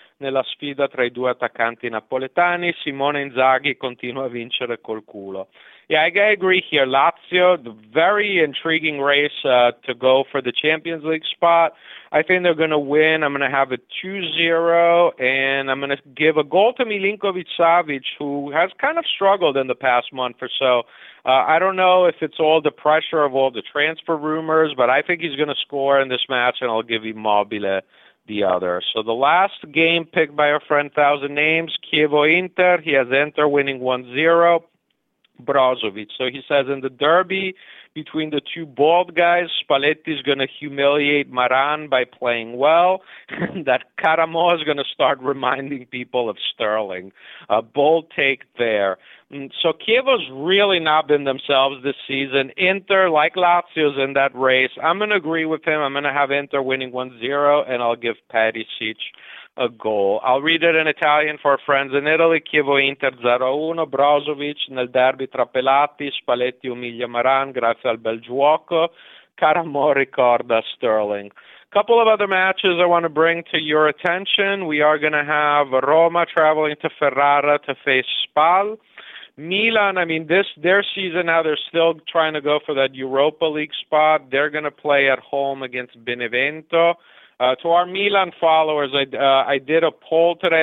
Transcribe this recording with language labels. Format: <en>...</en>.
<it>Nella sfida tra i due attaccanti napoletani, Simone Inzaghi continua a vincere col culo.</it> <en>Yeah, I agree here. Lazio, the very intriguing race to go for the Champions League spot. I think they're going to win. I'm going to have a 2-0, and I'm going to give a goal to Milinkovic-Savic, who has kind of struggled in the past month or so. I don't know if it's all the pressure of all the transfer rumors, but I think he's going to score in this match, and I'll give Immobile the other. So the last game picked by our friend Thousand Names, Chievo-Inter. He has Inter winning 1-0. Brozovic. So he says in the derby between the two bald guys, Spalletti is going to humiliate Maran by playing well. That Caramo is going to start reminding people of Sterling. A bold take there. So Chievo's really not been themselves this season. Inter, like Lazio's in that race. I'm going to agree with him. I'm going to have Inter winning 1-0, and I'll give Perisic a goal. I'll read it in Italian for friends in Italy.</en> <it>Chievo Inter 0-1, Brozovic nel derby tra Pelati, Spalletti umilia Maran grazie al bel giuoco, Caramo ricorda Sterling.</it> <en>Couple of other matches I want to bring to your attention. We are going to have Roma traveling to Ferrara to face Spal. Milan, I mean, this their season now, they're still trying to go for that Europa League spot. They're going to play at home against Benevento. To our Milan followers, I did a poll today.</en>